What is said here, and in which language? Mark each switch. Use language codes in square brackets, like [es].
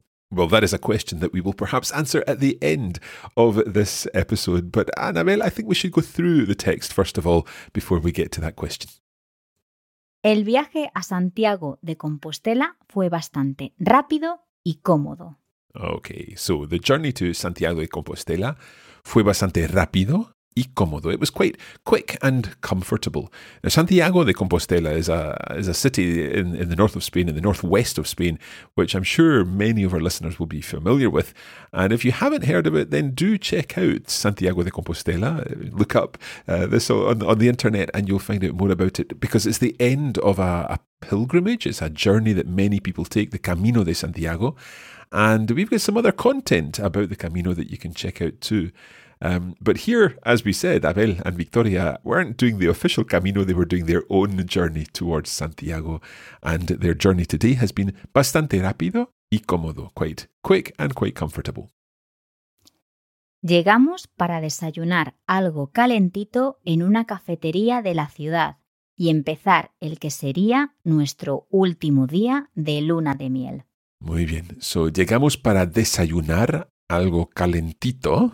[en] Well, that is a question that we will perhaps answer at the end of this episode. But Anabel, I think we should go through the text first of all before we get to that question. [es] El viaje a Santiago de Compostela fue bastante rápido y cómodo. [en] Okay, so the journey to Santiago de Compostela [es] fue bastante rápido y cómodo. [en] It was quite quick and comfortable. Now, Santiago de Compostela is a city in the north of Spain, in the northwest of Spain, which I'm sure many of our listeners will be familiar with. And if you haven't heard of it, then do check out Santiago de Compostela. Look up this on the internet and you'll find out more about it, because it's the end of a pilgrimage. It's a journey that many people take, the Camino de Santiago. And we've got some other content about the Camino that you can check out too. But here, as we said, Abel and Victoria weren't doing the official Camino, they were doing their own journey towards Santiago. And their journey today has been [es] bastante rápido y cómodo, [en] quite quick and quite comfortable. [es] Llegamos para desayunar algo calentito en una cafetería de la ciudad y empezar el que sería nuestro último día de luna de miel. Muy bien. So, llegamos para desayunar algo calentito.